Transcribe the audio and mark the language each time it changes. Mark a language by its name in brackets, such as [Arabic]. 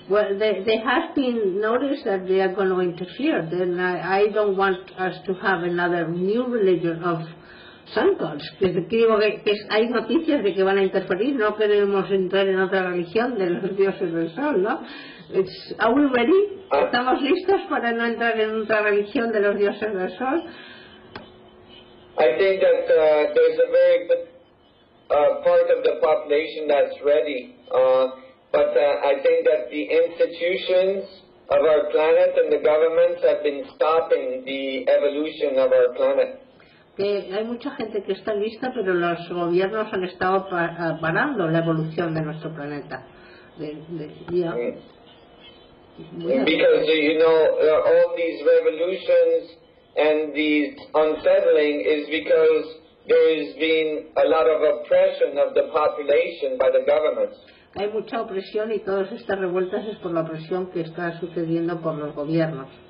[English] Well, they have been noticed that they are going to interfere. Then I don't want us to have another new religion of sun gods. [Spanish] Digo que hay noticias de que van a interferir. No queremos entrar en otra religión de los dioses del sol, ¿no? [English] Are we ready? [Spanish] ¿Estamos listos para no entrar en otra religión de los dioses del sol? [English] I think that there's a very good part of the population that's ready. But I think that the institutions of our planet and the governments have been stopping the evolution of our planet. [Spanish] Que hay mucha gente que está lista, pero los gobiernos han estado parando la evolución de nuestro planeta. [English] Because, you know, all these revolutions and the unsettling is because there has been a lot of oppression of the population by the governments. [Spanish] Hay mucha opresión y todas estas revueltas es por la opresión que está sucediendo por los gobiernos.